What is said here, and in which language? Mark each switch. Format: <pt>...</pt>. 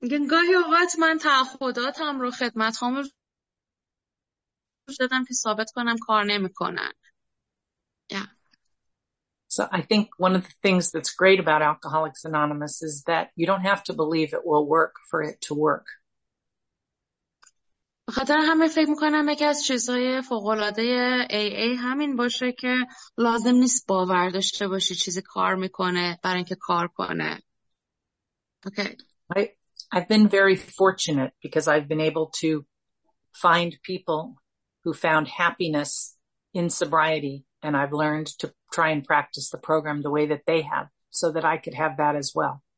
<fa>گاهی اوقات من تعهداتم رو خدمتهام رو دادم که ثابت کنم کار نمیکنن.</fa> <en>Yeah. So I think one of the things that's great about Alcoholics Anonymous is that you don't have to believe it will work for it to work.</en> <fa>بخاطر همه فکر میکنم یکی از چیزهای فوق‌العاده AA همین باشه که لازم نیست باور داشته باشی چیزی کار میکنه برای اینکه کار کنه.</fa> <en>Okay. I've been very fortunate because I've been able to find people who found happiness in sobriety. And I've learned to try and practice the program the way that they have so that I could have that as well.</en>